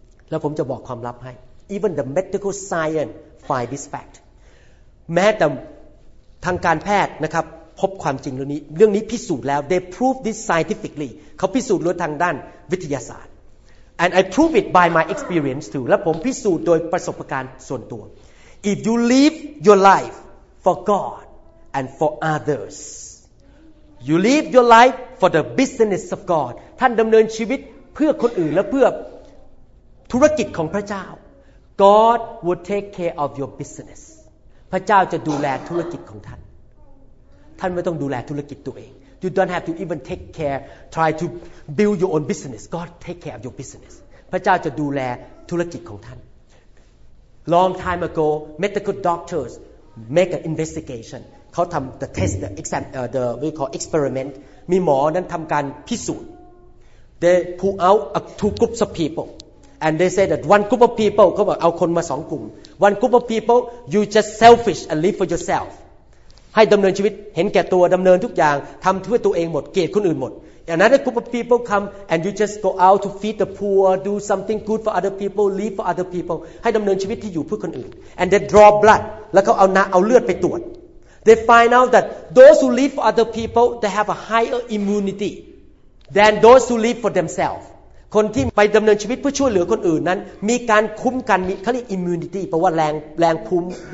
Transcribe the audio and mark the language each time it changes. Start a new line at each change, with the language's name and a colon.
Thai: แล้วผมจะบอกความลับให้
English: Even the medical science find this fact.
Thai: แม้แต่ทางการแพทย์นะครับพบความจริงเรื่องนี้พิสูจน์แล้ว
English: They prove this scientifically.
Thai: เขาพิสูจน์ด้วยทางด้านวิทยาศาสตร์
English: And I prove it by my experience too.
Thai: และผมพิสูจน์โดยประสบการณ์ส่วนตัว
English: If you live your life for God and for others, you live your life for the business of God.
Thai: ท่านดำเนินชีวิตเพื่อคนอื่นและเพื่อธุรกิจของพระเจ้า
English: God will take care of your business.
Thai: พระเจ้าจะดูแลธุรกิจของท่านท่านไม่ต้องดูแลธุรกิจตัวเอง
English: You don't have to even take care, try to build your own business. God take care of your business.
Thai: พระเจ้าจะดูแลธุรกิจของท่าน
English: Long time ago, medical doctors make an investigation.
Thai: เขาทำ
English: the test, the exam, the we call experiment.
Thai: มีหมอนั้นทำการพิสูจน์
English: They pull out two groups of people. And they say that one group of people,
Thai: เขาบอกเอาคนมาสองกลุ่ม
English: One group of people, you just selfish and live for yourself.
Thai: ให้ดำเนินชีวิตเห็นแก่ตัวดำเนินทุกอย่างทำเพื่อตัวเองหมดเกลียดคนอื่นหมดอย่างนั้น
English: group of people come and you just go out to feed the poor do something good for other people live for other people
Thai: ให้ดำเนินชีวิตที่อยู่เพื่อคนอื่น
English: and they draw blood
Thai: แล้วเขาเอาเลือดไปตรวจ
English: they find out that those who live for other people they have a higher immunity than those who live for themselves
Thai: คนที่ไปดำเนินชีวิตเพื่อช่วยเหลือคนอื่นนั้นมีการคุ้มกันเขาเรียก
English: immunity
Thai: แปลว่าแรงภูมิ